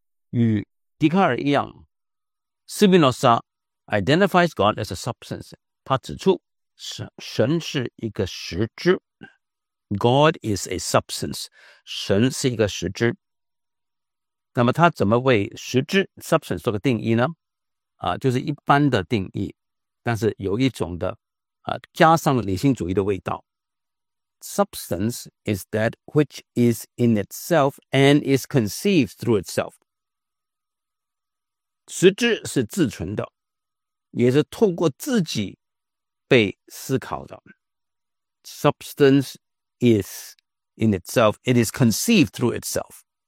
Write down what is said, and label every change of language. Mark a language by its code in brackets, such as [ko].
[zh] 与笛卡尔一样，斯宾诺莎 [en] identifies God as a substance， [zh] 他指出 神是一个实质。 [en] God is a substance， [zh] 神是一个实质。那么他怎么为实质 substance 做个定义呢？就是一般的定义，但是有一种的加上了理性主义的味道。 [en] Substance is that which is in itself and is conceived through itself。 [zh] 实质是自存的，也是透过自己被思考的。 [en] Substance is in itself, it is conceived through itself。